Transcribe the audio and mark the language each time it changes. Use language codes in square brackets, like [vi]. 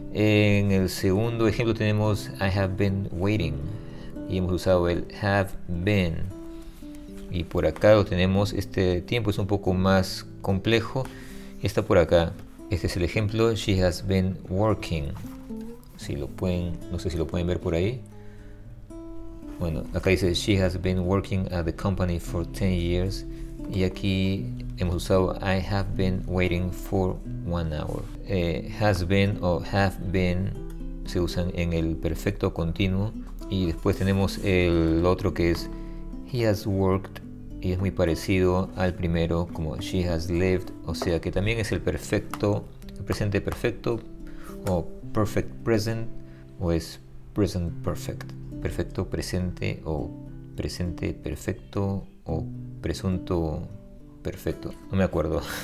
[es] En el segundo ejemplo tenemos [en] I have been waiting [es] y hemos usado el have been. Y por acá lo tenemos, este tiempo es un poco más complejo. Está por acá. Este es el ejemplo. [en] She has been working. [es] Si lo pueden, no sé si lo pueden ver por ahí. Bueno, acá dice [en] She has been working at the company for 10 years. [es] Y aquí hemos usado [en] I have been waiting for 1 hour. [es] Has been o have been se usan en el perfecto continuo. Y después tenemos el otro que es [en] He has worked. [es] Y es muy parecido al primero, como [en] she has lived, [es] o sea que también es el perfecto, el presente perfecto, o [en] perfect present, [es] o es [en] present perfect, [es] perfecto presente, o presente perfecto, o presunto perfecto, no me acuerdo.